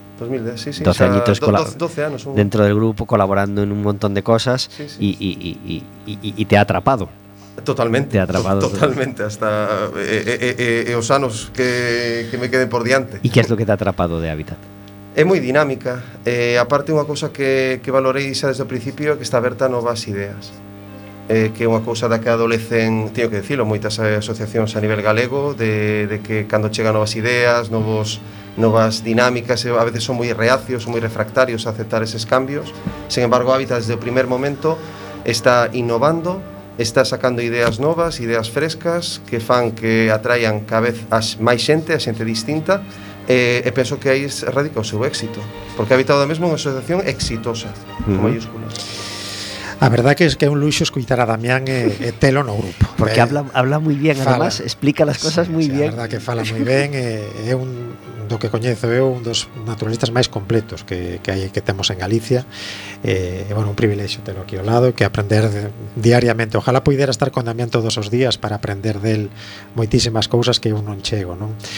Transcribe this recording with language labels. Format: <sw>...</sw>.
<es>2010, sí, sí. 12 añitos, o sea, 12 años. Dentro del grupo, colaborando en un montón de cosas, sí, sí. Y te ha atrapado. Totalmente. Te ha atrapado.</es> <gl>Totalmente, hasta os anos que me queden por diante.</gl> <es>¿Y qué es lo que te ha atrapado de Habitat?</es> <gl>É moi dinámica. Aparte, unha cousa que valorei xa desde o principio é que está aberta a novas ideas. Que é unha cousa da que adolecen, teño que decirlo, moitas asociacións a nivel galego, de que cando chegan novas ideas, novas dinámicas, a veces son moi reacios, son moi refractarios a aceptar eses cambios. Sin embargo, Habitat desde o primer momento está innovando, está sacando ideas novas, ideas frescas, que fan que atraian cada vez máis xente, a xente distinta, e penso que aí radica o seu éxito, porque Habitat ahora mesmo é unha asociación exitosa, con mayúsculas. A verdade que é un luxo escutar a Damián e telo no grupo. Porque habla moi bien, además, explica as cosas, sí, moi bien. A verdade que fala moi ben, é un, do que coñezo eu, un dos naturalistas máis completos que temos en Galicia. Bueno, un privilexio telo aquí ao lado, que aprender diariamente. Ojalá puidera estar con Damián todos os días para aprender del moitísimas cousas que eu non chego, non?</gl>